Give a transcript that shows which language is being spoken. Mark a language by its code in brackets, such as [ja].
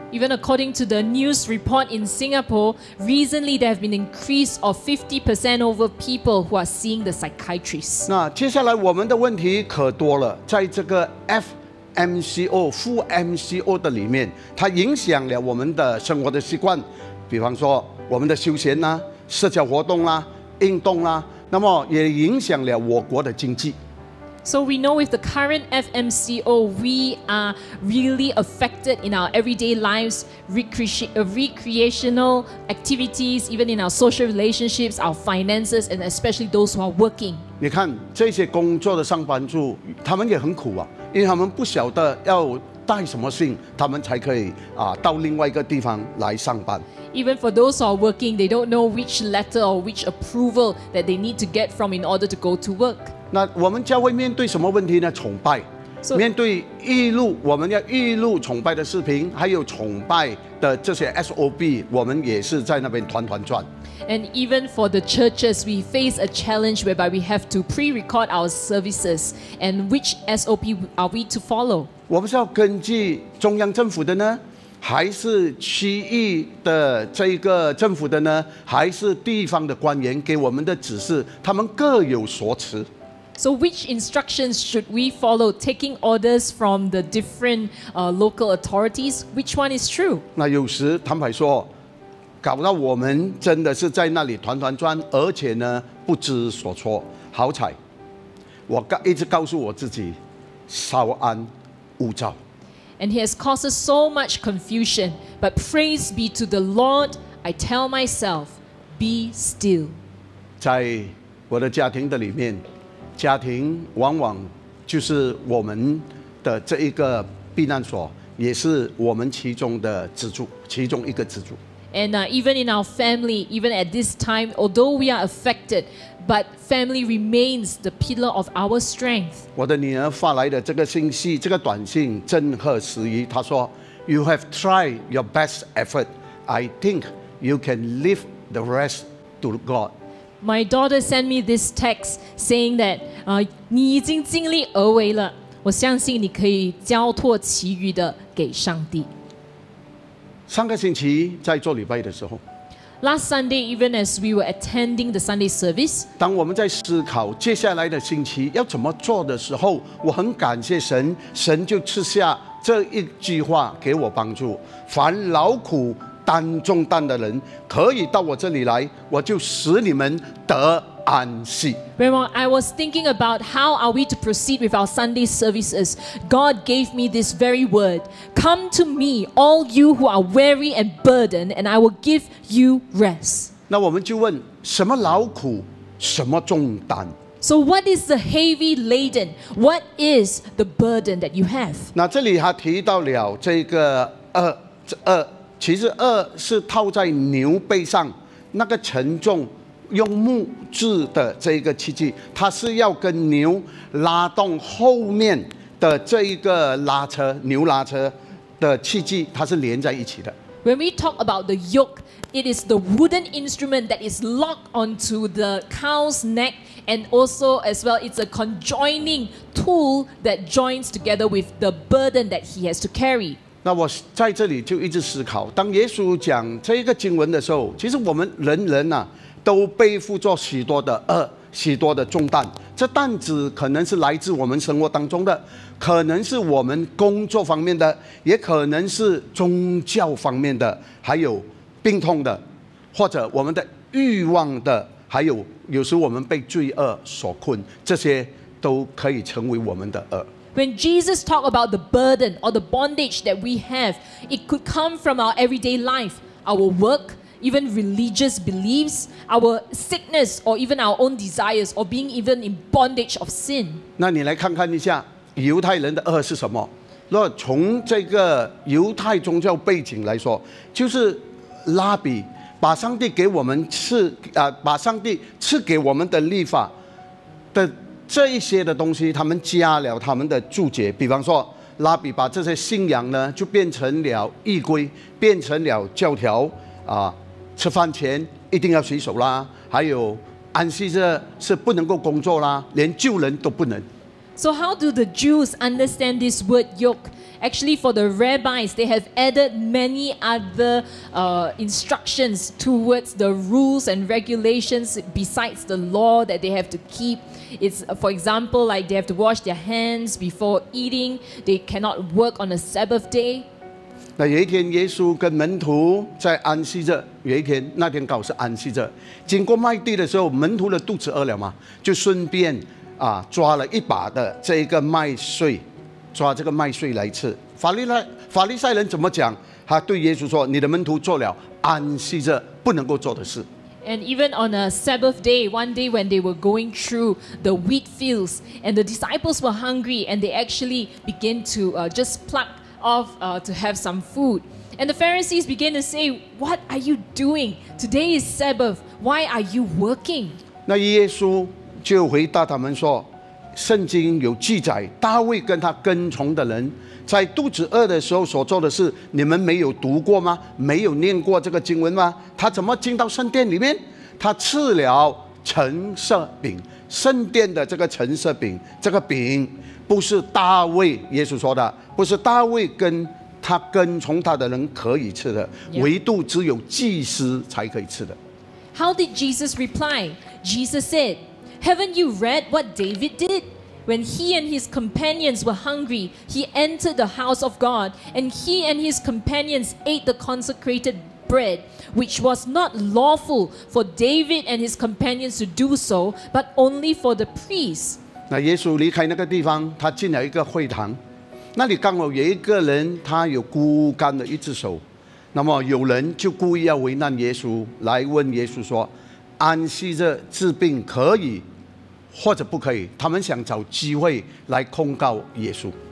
[en] Even according to the news report in Singapore, recently there have been an increase of 50% over people who are seeing the psychiatrist. [zh] 那接下来我们的问题可多了，在这个 FMCO, full MCO 的里面，它影响了我们的生活的习惯，比方说我们的休闲啊、社交活动啊、运动啊、那么也影响了我国的经济。 [en] So we know with the current FMCO, we are really affected in our everyday lives, recreational activities, even in our social relationships, our finances, and especially those who are working. [zh] 你看这些工作的上班族，他们也很苦啊，因为他们不晓得要带什么信，他们才可以啊到另外一个地方来上班。 [en] Even for those who are working, they don't know which letter or which approval that they need to get from in order to go to work. [zh] 那我们教会面对什么问题呢？崇拜， so, 面对一路我们要一路崇拜的视频，还有崇拜的这些 SOB， 我们也是在那边团团转。 [en] And even for the churches, we face a challenge whereby we have to pre-record our services and which SOP are we to follow? [zh] 我们是要根据中央政府的呢？还是区域的这个政府的呢？还是地方的官员给我们的指示？他们各有所持。 [en] So which instructions should we follow, taking orders from the different local authorities? Which one is true? [zh] 那有时坦白说，搞到我们真的是在那里团团转，而且呢不知所措。好彩，我一直告诉我自己，稍安勿躁。 [en] And he has caused us so much confusion. But praise be to the Lord, I tell myself, be still. [zh] 在我的家庭的里面，家庭往往就是我们的这一个避难所，也是我们其中的支柱，其中一个支柱。 [en] And even in our family, even at this time, although we are affected, but family remains the pillar of our strength. [zh] 我的女儿发来的这个信息，这个短信震撼时宜。她说 [en] ，You have tried your best effort. I think you can leave the rest to God. My daughter sent me this text saying that, [zh] 你已经尽力而为了，我相信你可以交托其余的给上帝。上个星期在做礼拜的时候 [en] ，Last Sunday, even as we were attending the Sunday service, [zh] 当我们在思考接下来的星期要怎么做的时候，我很感谢神，神就赐下这一句话给我帮助。凡劳苦担重担的人，可以到我这里来，我就使你们得安息。 [en] When I was thinking about how are we to proceed with our Sunday services, God gave me this very word. Come to me, all you who are weary and burdened, and I will give you rest. [zh] 那我们就问，什么劳苦，什么重担？ [en] So what is the heavy laden? What is the burden that you have? [zh] 那这里他提到了这个轭，其实轭是套在牛背上，那个沉重用木制的这个器具，它是要跟牛拉动后面的这一个拉车，牛拉车的器具，它是连在一起的。 [en] When we talk about the yoke, it is the wooden instrument that is locked onto the cow's neck, and also as well, it's a conjoining tool that joins together with the burden that he has to carry. [zh] 那我在这里就一直思考，当耶稣讲这个经文的时候，其实我们人啊。都背负着许多的轭，许多的重担。这担子可能是来自我们生活当中的，可能是我们工作方面的，也可能是宗教方面的，还有病痛的，或者我们的欲望的，还有有时我们被罪恶所困，这些都可以成为我们的轭。 [en] When Jesus talked about the burden or the bondage that we have, it could come from our everyday life, our work. Even religious beliefs, our sickness, or even our own desires, or being even in bondage of sin. [zh] 那你来看看一下犹太人的轭是什么？若从这个犹太宗教背景来说，就是拉比把上帝给我们把上帝赐给我们的律法的这一些的东西，他们加了他们的注解。比方说，拉比把这些信仰呢，就变成了仪规，变成了教条。吃饭前一定要洗手啦，还有安息日是不能够工作啦，连救人都不能。 [en] So how do the Jews understand this word yoke? Actually, for the rabbis, they have added many other instructions towards the rules and regulations besides the law that they have to keep. It's, for example, like they have to wash their hands before eating. They cannot work on a Sabbath day. [zh] 那有一天耶稣跟门徒在安息日，有一天那天刚好是安息日，经过麦地的时候，门徒的肚子饿了嘛，就顺便啊抓了一把的这一个麦穗，抓这个麦穗来吃。法利赛人怎么讲？他对耶稣说，你的门徒做了安息日不能够做的事。 [en] And even on a Sabbath day, one day when they were going through the wheat fields, and the disciples were hungry, and they actually began to just pluck off to have some food. And the Pharisees began to say, what are you doing? Today is Sabbath. Why are you working? [zh] 那耶稣就回答他们说，圣经有记载，大卫跟他跟从的人在肚子饿的时候所做的事，你们没有读过吗？没有念过这个经文吗？他怎么进到圣殿里面？他吃了陈设饼，圣殿的这个陈设饼，这个饼不是大卫，耶稣说的，不是大卫跟他跟从他的人可以吃的，唯独只有祭司才可以吃的。 [en] How did Jesus reply? Jesus said, "Haven't you read what David did?" When he and his companions were hungry, he entered the house of God, and he and his companions ate the consecrated bread, which was not lawful for David and his companions to do so, but only for the priests. [zh] 那耶稣离开那个地方，他进了一个会堂，那里刚好有一个人，他有孤干的一只手，那么有人就故意要为难耶稣，来问耶稣说，安息日治病可以？或者不可以，他们想找机会来控告耶稣。